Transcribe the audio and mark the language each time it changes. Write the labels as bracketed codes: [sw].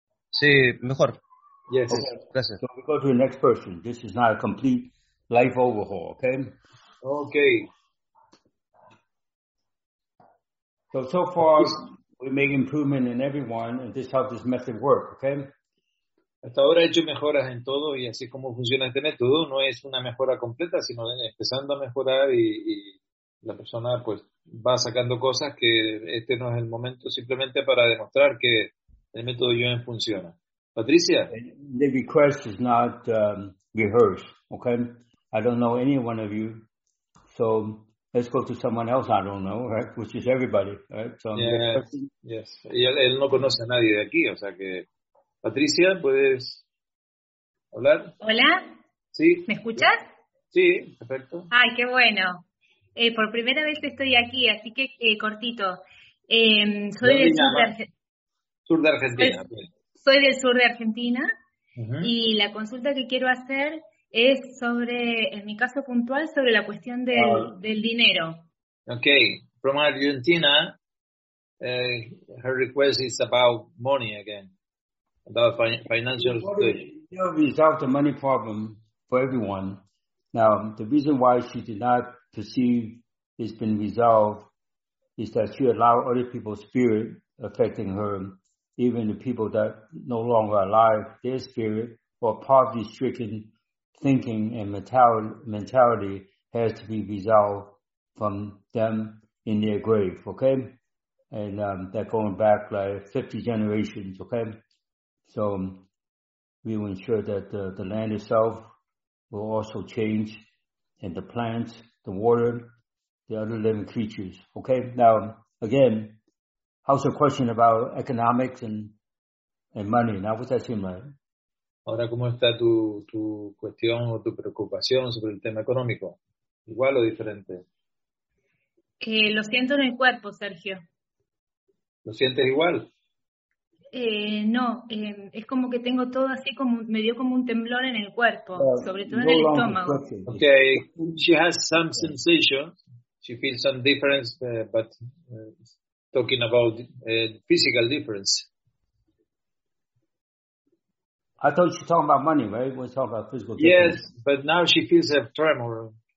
[es] Sí, mejor. [en] Yes, [es] okay. Gracias. [en] So we go to the next person. This is not a complete life overhaul, okay? Okay. So far, we make improvement in everyone, and this is how this method works, okay? [es] Hasta ahora he hecho mejoras en todo, y así como funciona este método, no es una mejora completa, sino empezando a mejorar y la persona pues va sacando cosas que este no es el momento, simplemente para demostrar que el método Yuen funciona. Patricia. [en] The request is not rehearsed, okay? I don't know any one of you, so let's go to someone else I don't know, right? Which is everybody, right? So, yes, yes. [es] Y él no conoce a nadie de aquí, o sea que... Patricia, ¿puedes hablar? Hola. Sí. ¿Me escuchas? Sí, perfecto. Ay, qué bueno. Por primera vez estoy aquí, así que cortito. Soy del sur de Argentina. Sur de Argentina. Soy del sur de Argentina. Uh-huh. Y la consulta que quiero hacer es sobre, en mi caso puntual, sobre la cuestión del dinero. Ok. [en] From Argentina, her request is about money again. About financial situation. You know, resolve the money problem for everyone. Now, the reason why she did not perceive it's been resolved is that she allowed other people's spirit affecting her, even the people that no longer alive, their spirit or poverty-stricken thinking and mentality has to be resolved from them in their grave, okay? And that going back like 50 generations, okay? So we will ensure that the land itself will also change, and the plants, the water, the other living creatures. Okay, now again, how's the question about economics and money? Now, what's that seem like? [es] Ahora, ¿cómo está tu cuestión o tu preocupación sobre el tema económico? ¿Igual o diferente? Que lo siento en el cuerpo, Sergio. ¿Lo sientes igual? No, es como que tengo todo así como, me dio como un temblor en el cuerpo, sobre todo en el estómago. [en] Okay, she has some sensation, she feels some difference, but talking about physical difference. I thought she was talking about money, right? We're talking about physical difference. Yes, but now she feels a tremor.